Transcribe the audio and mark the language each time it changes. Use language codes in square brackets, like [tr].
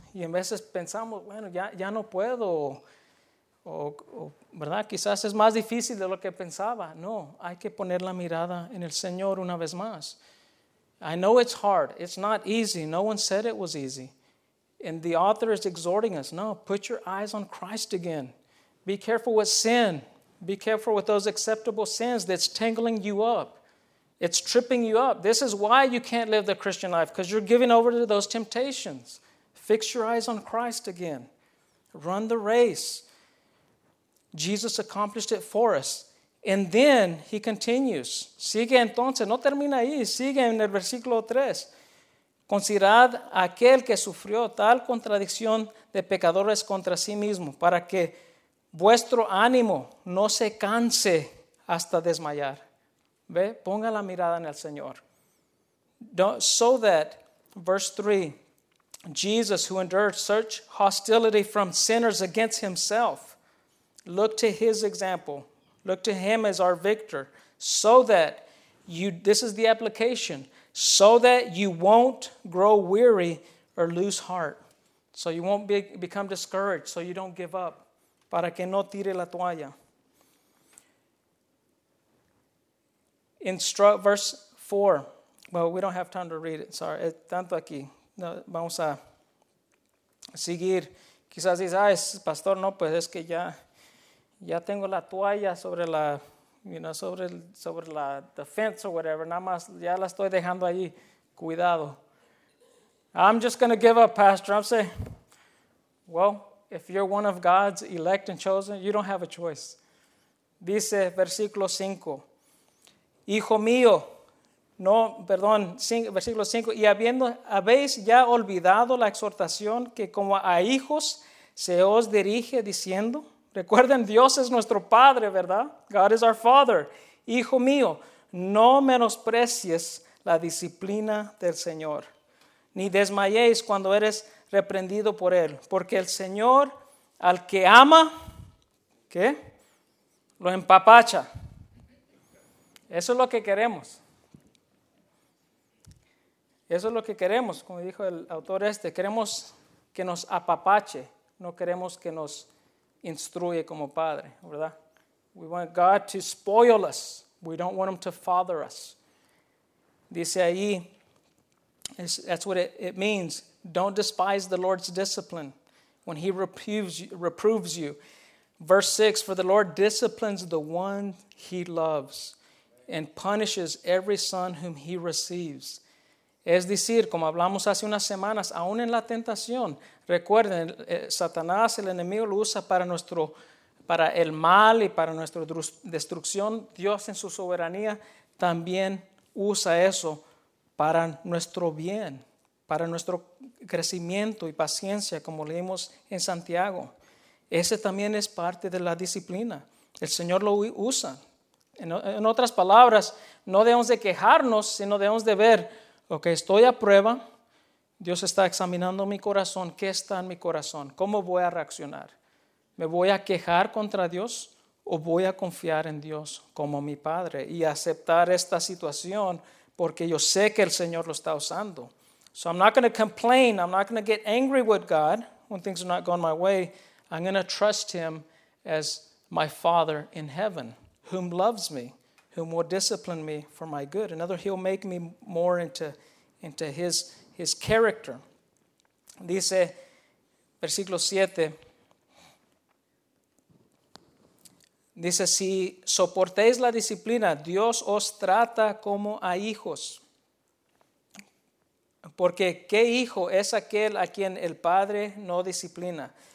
[es] Y en veces pensamos, bueno, ya no puedo. O ¿verdad? Quizás es más difícil de lo que pensaba. No, hay que poner la mirada en el Señor una vez más. [en] I know it's hard. It's not easy. No one said it was easy. And the author is exhorting us, no, put your eyes on Christ again. Be careful with sin. Be careful with those acceptable sins that's tangling you up. It's tripping you up. This is why you can't live the Christian life, because you're giving over to those temptations. Fix your eyes on Christ again. Run the race. Jesus accomplished it for us. And then he continues. [es] Sigue entonces. No termina ahí. Sigue en el versículo 3. Considerad aquel que sufrió tal contradicción de pecadores contra sí mismo, para que vuestro ánimo no se canse hasta desmayar. Ve, ponga la mirada en el Señor. [en] So that, verse 3, Jesus, who endured such hostility from sinners against himself, look to his example, look to him as our victor, so that you, this is the application, so that you won't grow weary or lose heart. So you won't become discouraged, so you don't give up. [es] Para que no tire la toalla. [en] Verse 4. Well, we don't have time to read it. Sorry. [es] Es tanto aquí. No, vamos a seguir. Quizás dices, ay, pastor, no, pues es que ya tengo la toalla sobre la, [en] you know, [es] sobre la [en] defense or whatever. [es] Nada más, ya la estoy dejando allí. Cuidado. [en] I'm just going to give up, pastor. I'm saying, well, if you're one of God's elect and chosen, you don't have a choice. [es] Dice versículo 5. Hijo mío, no, perdón, versículo 5. Y habéis ya olvidado la exhortación que como a hijos se os dirige diciendo. Recuerden, Dios es nuestro Padre, ¿verdad? [en] God is our Father. [es] Hijo mío, no menosprecies la disciplina del Señor, ni desmayéis cuando eres reprendido por Él. Porque el Señor, al que ama, ¿qué? Lo empapacha. Eso es lo que queremos. Eso es lo que queremos, como dijo el autor este. Queremos que nos apapache. No queremos que nos instruye como padre, ¿verdad? [en] We want God to spoil us. We don't want Him to father us. [es] Dice ahí, [en] that's what it means. Don't despise the Lord's discipline when He reproves you. Verse 6, for the Lord disciplines the one He loves and punishes every son whom He receives. [es] Es decir, como hablamos hace unas semanas, aún en la tentación, recuerden, Satanás, el enemigo, lo usa para el mal y para nuestra destrucción. Dios en su soberanía también usa eso para nuestro bien, para nuestro crecimiento y paciencia, como leímos en Santiago. Ese también es parte de la disciplina. El Señor lo usa. En otras palabras, no debemos de quejarnos, sino debemos de ver, ok, estoy a prueba, Dios está examinando mi corazón, ¿qué está en mi corazón? ¿Cómo voy a reaccionar? ¿Me voy a quejar contra Dios o voy a confiar en Dios como mi Padre y aceptar esta situación porque yo sé que el Señor lo está usando? [en] So I'm not going to complain, I'm not going to get angry with God when things are not going my way. I'm going to trust Him as my Father in heaven, whom loves me, whom will discipline me for my good. Another, He'll make me more into his character. [es] Dice, versículo 7, dice, si soportéis la disciplina, Dios os trata como a hijos. Porque, ¿qué hijo es aquel a quien el padre no disciplina?